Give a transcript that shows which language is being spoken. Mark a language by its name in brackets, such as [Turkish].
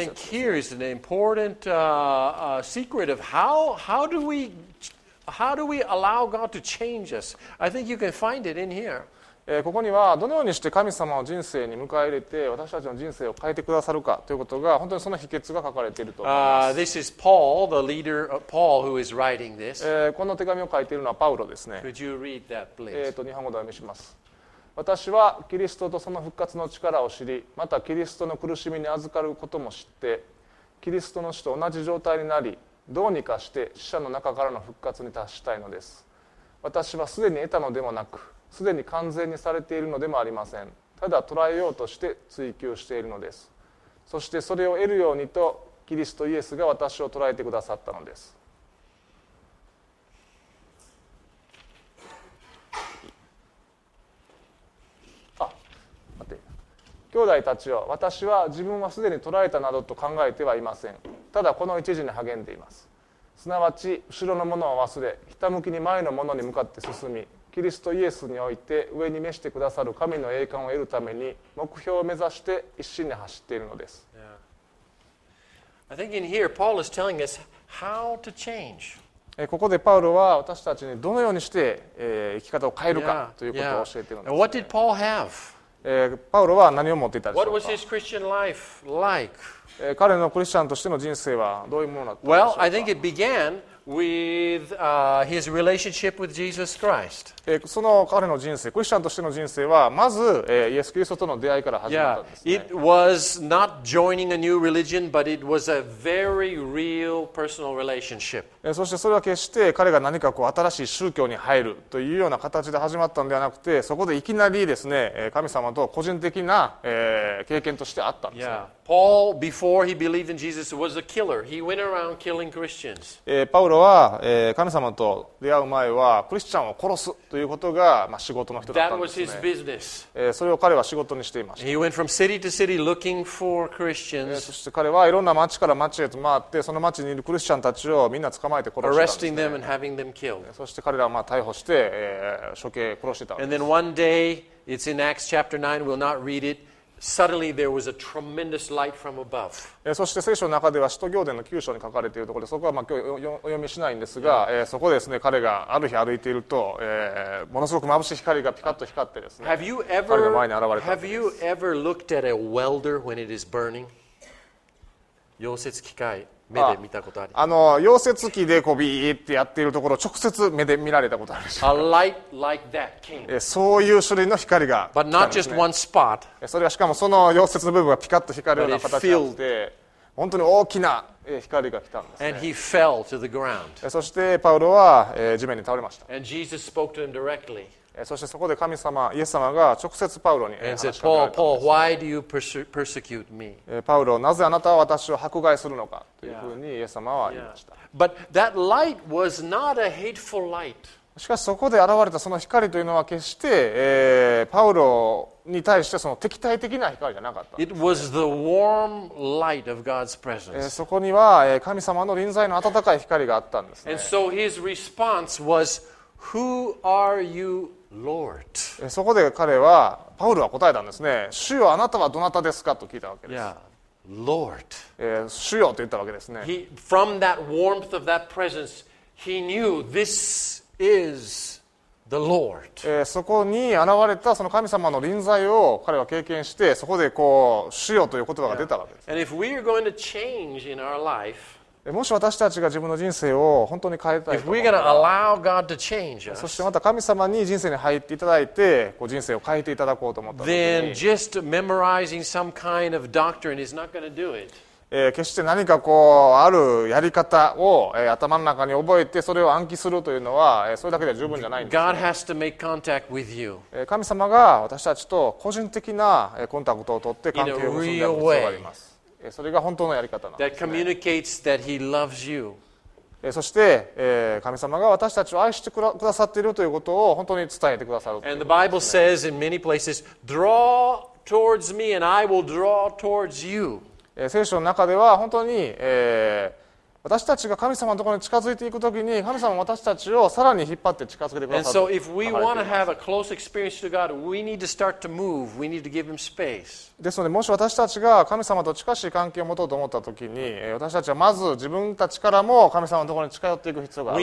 [English] I think here is an important secret of how do we... How do we allow God to change us? I think you can find it in here. [Japanese] ここにはどのようにして神様を人生に迎え入れて私たちの人生を変えてくださるかということが本当にその秘訣が書かれていると思います。 [English] This is Paul, the leader of Paul who is writing this. [Japanese] この手紙を書いているのはパウロですね。 [English] Could you read that, please? [Japanese] 日本語で読みします。私はキリストとその復活の力を知り、またキリストの苦しみに預かることも知って、キリストの死と同じ状態になり、どうにかして死者の中からの復活に達したいのです。私はすでに得たのでもなく、すでに完全にされているのでもありません。ただ捉えようとして追求しているのです。そしてそれを得るようにとキリストイエスが私を捉えてくださったのです。兄弟たちよ、私は自分はすでに捕らえたなどと考えてはいません。ただこの一時に励んでいます。すなわち後ろのものを忘れ、ひたむきに前のものに向かって進み、キリストイエスにおいて上に召してくださる神の栄冠を得るために目標を目指して一心に走っているのです。 [English] Yeah. I think in here, Paul is telling us how to change. [Japanese] ここでパウロは私たちにどのようにして生き方を変えるかということを教えているんです、ね。 [English] Yeah. Yeah. What did Paul have? [Japanese] パウロは何を持っていたでしょうか。 [English] What was his Christian life like? [Japanese] 彼のクリスチャンとしての人生はどういうものだったでしょうか。 [English] Well, I think it began with his relationship with Jesus Christ. [Japanese] その彼の人生、クリスチャンとしての人生は、まず、イエス・キリストとの出会いから始まったんですね。 [English] Yeah, it was not joining a new religion, but it was a very real personal relationship. [Japanese] そしてそれは決して彼が何かこう新しい宗教に入るというような形で始まったのではなくて、そこでいきなりですね、神様と個人的な、経験としてあったんですね。 [English] Yeah. Paul, before he believed in Jesus, was a killer. He went around killing Christians. [Japanese] パウロは、神様と出会う前はクリスチャンを殺すということが、まあ、仕事の人だったんですね。 [English] That was his business. [Japanese] それを彼は仕事にしていました。 [English] He went from city to city looking for Christians. [Japanese] そして彼はいろんな町から町へと回って、その町にいるクリスチャンたちをみんな捕まえて殺してたんですね。 [English] Arresting them and having them killed. [Japanese] そして彼らはまあ逮捕して、処刑、殺してたんです。 [English] And then one day, it's in Acts chapter 9, we'll not read it. Suddenly there was a tremendous light from above. [Japanese] そして聖書の中では使徒行伝の9章に書かれているところで、そこはまあ今日お読みしないんですが、 [English] yeah. [Japanese] そこでですね、彼がある日歩いていると、ものすごく眩しい光がピカッと光ってですね、 [English] have you ever, [Japanese] 彼の前に現れたんです。 [English] Have you ever looked at a welder when it is burning? [Japanese] 溶接機械、目で見たことある。溶接機でこうビーってやっているところを直接目で見られたことあるでしょう。 [English] A light like that came. [Japanese] そういう種類の光が来たんですね。 [English] But not just one spot. [Japanese] それはしかもその溶接の部分がピカッと光るような形になって、本当に大きな光が来たんですね。 [English] And he fell to the ground. [Japanese] そしてパウロは地面に倒れました。 [English] And Jesus spoke to him directly. [Japanese] そしてそこで神様、イエス様が直接パウロに話しかけられたんです。Paul, Paul, パウロ、なぜあなたは私を迫害するのかというふうにイエス様は言いました。 [English] Yeah. But that light was not a hateful light. [Japanese] しかしそこで現れたその光というのは決して、パウロに対してその敵対的な光じゃなかった、ね。 [English] It was the warm light of God's presence. [Japanese] そこには神様の臨在の温かい光があったんですね。 [English] And so his response was, Who are you? Lord. [Japanese] そこで彼はパウルは答えたんですね。主よ、あなたはどなたですかと聞いたわけです。 [English] Yeah. Lord. [Japanese] 主よと言ったわけですね。 [English] He, from that warmth of that presence, he knew this is the Lord. [Japanese] そこに現れたその神様の臨在を彼は経験して、そこでこう主よという言葉が出たわけです。 [English] Yeah. And if we are going to change in our life, [Japanese] もし私たちが自分の人生を本当に変えたいと、 If we're gonna allow God to change us, そしてまた神様に人生に入っていただいて、こう人生を変えていただこうと思った時に、 [English] Then just memorizing some kind of doctrine is not gonna do it. [Japanese] 決して何かこうあるやり方を、頭の中に覚えてそれを暗記するというのは、それだけでは十分じゃないんです、ね、 [English] God has to make contact with you. [Japanese] 神様が私たちと個人的なコンタクトを取って関係を結んでいく必要があります。それが本当のやり方なんですね。 [English] That communicates that he loves you. [Japanese] そして、神様が私たちを愛してくださっているということを本当に伝えてくださる。 [English] And the Bible says in many places, draw towards me and I will draw towards you. [Japanese] 聖書の中では本当に、私たちが神様のところに近づいていくときに、神様は私たちをさらに引っ張って近づけてくださると。 [English] And so if we want to have a close experience to God, we need to start to move. We need to give him space. [Japanese] ですので、もし私たちが神様と近しい関係を持とうと思ったときに、私たちはまず自分たちからも神様のところに近寄っていく必要がある。